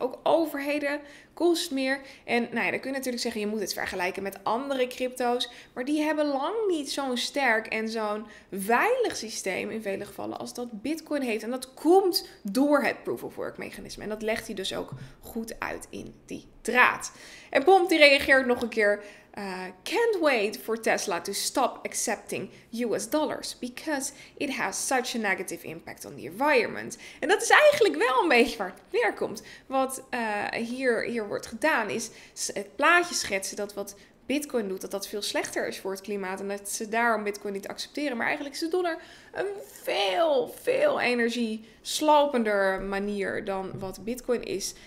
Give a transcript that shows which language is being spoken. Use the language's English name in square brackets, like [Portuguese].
[Dutch] Ook overheden kost meer. En nou ja, dan kun je natuurlijk zeggen, je moet het vergelijken met andere crypto's. Maar die hebben lang niet zo'n sterk en zo'n veilig systeem in vele gevallen als dat Bitcoin heeft. En dat komt door het proof of work mechanisme. En dat legt hij dus ook goed uit in die draad. En Pomp die reageert nog een keer. [English] Can't wait for Tesla to stop accepting US dollars because it has such a negative impact on the environment. [Dutch] En dat is eigenlijk wel een beetje waar het neerkomt. Wat hier wordt gedaan is het plaatje schetsen dat wat Bitcoin doet, dat veel slechter is voor het klimaat en dat ze daarom Bitcoin niet accepteren. Maar eigenlijk is de dollar een veel, veel energieslopender manier dan wat Bitcoin is.